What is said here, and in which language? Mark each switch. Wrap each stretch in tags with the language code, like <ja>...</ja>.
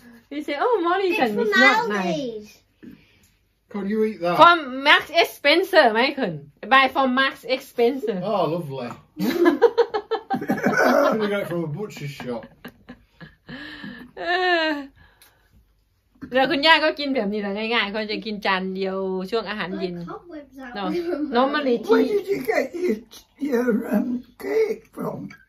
<en>He said, oh, Molly, it's not nice. Can you eat that? From Max Spencer, Michael. Buy from Max Spencer. Oh, lovely. You got it from a butcher's shop.</en> <th>แล้วคุณย่าก็กินแบบนี้แหละง่ายๆเขาจะกินจานเดียวช่วงอาหารเย็นน้องมาลีที่</th> <en>Where did you get your cake from?</en>